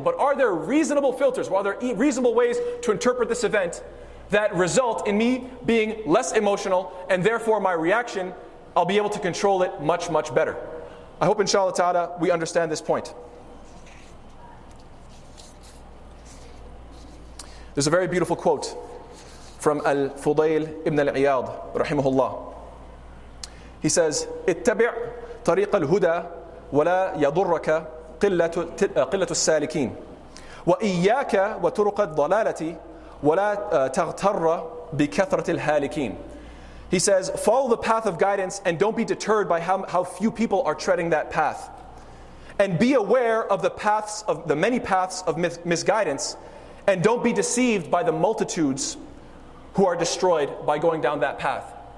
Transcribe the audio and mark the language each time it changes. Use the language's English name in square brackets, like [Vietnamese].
[English] But are there reasonable filters? Are there reasonable ways to interpret this event that result in me being less emotional, and therefore my reaction, I'll be able to control it much, much better? I hope, inshallah ta'ala, we understand this point. There's a very beautiful quote from Al-Fudayl ibn al-Iyad, rahimahullah. He says, [Arabic] اتبع طريق الهدى ولا يضرك قلة السالكين وإياك وطرق الضلالة ولا تغتر بكثرة الهالكين. [English] He says, follow the path of guidance and don't be deterred by how few people are treading that path. And be aware of the many paths of misguidance and don't be deceived by the multitudes who are destroyed by going down that path.